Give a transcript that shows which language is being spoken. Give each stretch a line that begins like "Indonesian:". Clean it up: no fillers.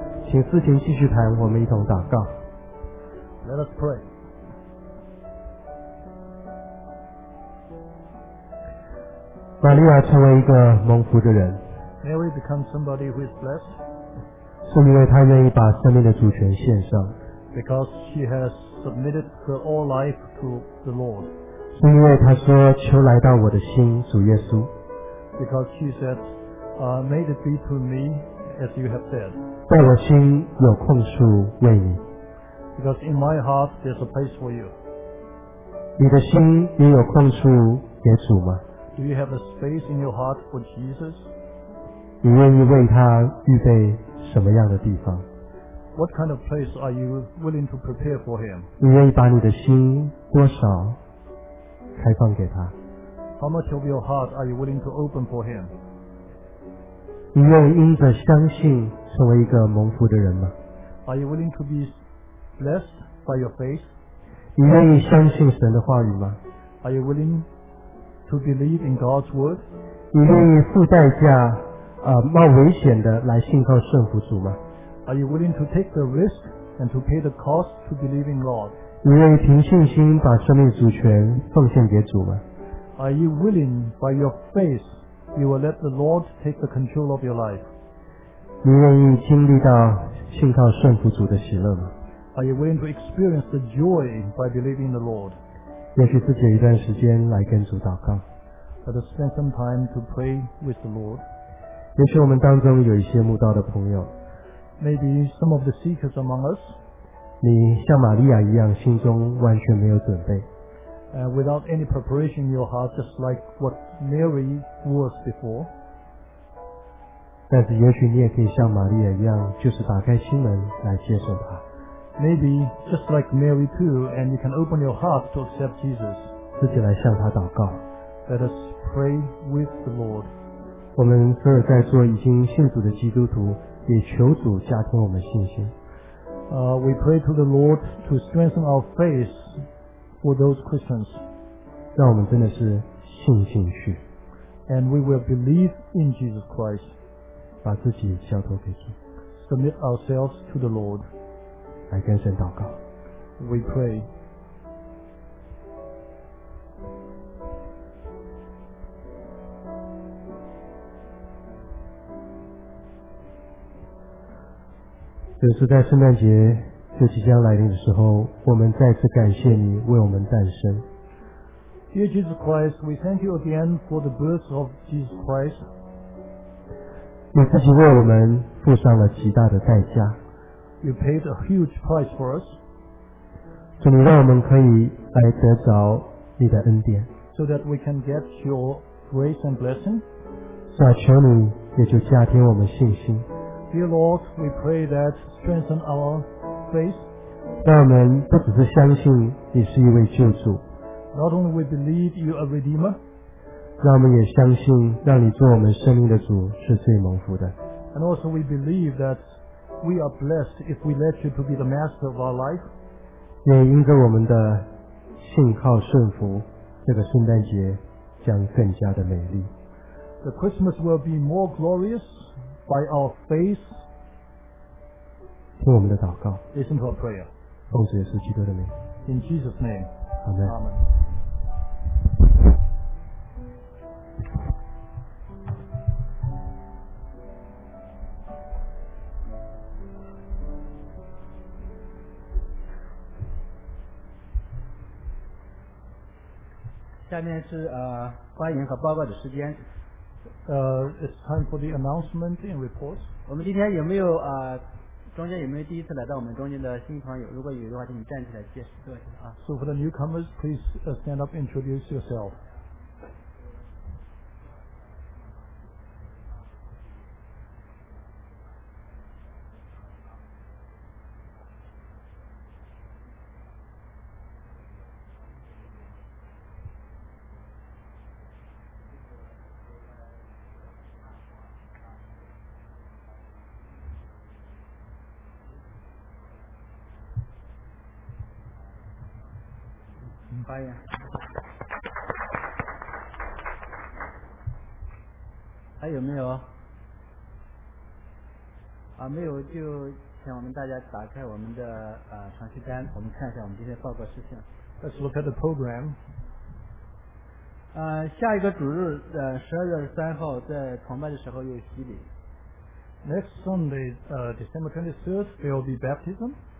Chinese: 请四情继续谈，我们一同祷告。
English: Let us pray.
Chinese: 玛利亚成为一个蒙福的人，
English: Mary become somebody who is blessed，
Chinese: 是因为她愿意把生命的主权献上，
English: Because she has submitted her all life to the Lord，
Chinese: 是因为她说求来到我的心，主耶稣，
English: Because she said、may it be to me as you have said，
Chinese: 在我心有空处为你，
English: Because in my heart there's a place for you，
Chinese: 你的心也有空处给主吗？
English: Do you have a space in your heart for Jesus?
Chinese: 你愿意为他预备什么样的地方？
English: What kind of place are you willing to prepare for him?
Chinese: 你愿意把你的心多少开放给他？
English: How much of your heart are you willing to open for him?
Chinese: 你愿意因着相信成为一个蒙福的人吗？
English: Are you willing to be blessed by your faith?
Chinese: 你愿意相信神的话语吗？
English: Are you willing to believe in God's word?
Chinese: 你愿意付代价、冒危险的来信靠顺服主吗？
English: Are you willing to take the risk and to pay the cost to believe in God?
Chinese: 你愿意凭信心把生命主权奉献给主吗？
English: Are you willing by your faith you will let the Lord take the control of your life?
Chinese: 你愿意经历到信靠顺服主的喜乐吗？
English: Are you willing to experience the joy by believing in the Lord?
Chinese: 也许自己有一段时间来跟主祷告。
English: Let us spend some time to pray with the Lord.
Chinese: 也许我们当中有一些慕道的朋友。
English: Maybe some of the seekers among us.
Chinese: 你像玛利亚一样，心中完全没有准备。
English: Without any preparation in your heart, just like what Mary was before.
Chinese: 但是也许你也可以像玛利亚一样，就是打开心门来接受他。
English: Maybe just like Mary too, and you can open your heart to accept Jesus.
Chinese: 自己来向他祷告。
English: Let us pray with the Lord.
Chinese: 我们所有在座已经信主的基督徒，也求主加添我们信心。
English: We pray to the Lord to strengthen our faith for those Christians.
Chinese: 让我们真的是信进去。
English: And we will believe in Jesus Christ.
Chinese: 把自己交托给主。
English: Submit ourselves to the Lord.
Chinese: 来跟神祷告。
English: We pray.
Chinese: 就是在圣诞节就即将来临的时候，我们再次感谢你为我们诞生。
English: Dear Jesus Christ, we thank you again for the birth of Jesus Christ.
Chinese: 你自己为我们付上了极大的代价。
English: You paid a huge price for us.
Chinese: 主，你让我们可以来得着你的恩典。
English: So that we can get your grace and blessing.
Chinese: 是啊，求你也就加添我们信心。
English: Dear Lord, we pray that strengthen our faith.
Chinese: 让我们不只是相信你是一位救主。
English: Not only we believe you are a redeemer.
Chinese: 让我们也相信，让你做我们生命的主是最蒙福的。
English: And also we believe that. We are blessed if we let you to be the master of our life.
Chinese: 也因着我们的信靠顺服，这个圣诞节将更加的美丽。
English: the Christmas will be more glorious by our faith.
Chinese: 听我们的祷告。
English: Listen to our prayer.
Chinese: 奉主耶稣基督的名。
English: In Jesus' name. Amen. Amen.
Chinese: 下面是欢迎和报告的时间。
English: It's time for the announcement and reports.
Chinese: 我们今天有没有中间有没有第一次来到我们中间的新朋友？如果有的话，请你站起来介绍一下啊。
English: So for the newcomers, please stand up, introduce yourself.
Chinese: 还有没有没有就请我们大家打开我们的程序单，我们看一下我们今天报告事项。
English: Let's look at the program.
Chinese: 下一个主日12月3号在崇拜的时候有洗礼。
English: Next Sunday, December 23rd, there will be baptism.